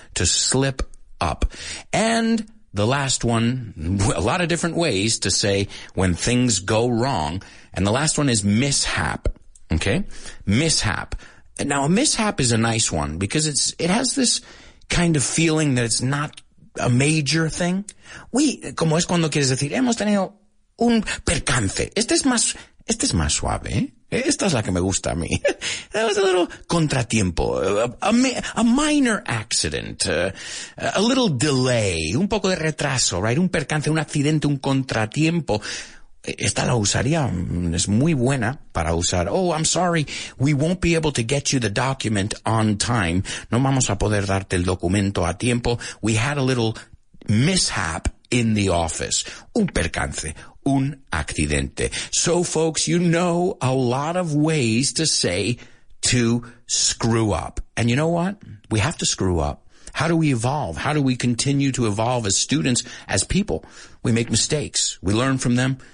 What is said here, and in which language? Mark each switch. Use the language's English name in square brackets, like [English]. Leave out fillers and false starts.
[English] To slip up. And the last one, a lot of different ways to say when things go wrong. And the last one is mishap. Okay? Mishap. Now, a mishap is a nice one because it has this kind of feeling that it's not a major thing. [Spanish] Oui, como es cuando quieres decir, hemos tenido un percance. Este es más suave. Esta es la que me gusta a mí. [English] That was a little contratiempo. A minor accident. A little delay. [Spanish] Un poco de retraso, right? Un percance, un accidente, un contratiempo. Esta la usaría, es muy buena para usar. [English] Oh, I'm sorry, we won't be able to get you the document on time. [Spanish] No vamos a poder darte el documento a tiempo. [English] We had a little mishap in the office. [Spanish] Un percance, un accidente. [English] So, folks, you know a lot of ways to say to screw up. And you know what? We have to screw up. How do we evolve? How do we continue to evolve as students, as people? We make mistakes. We learn from them.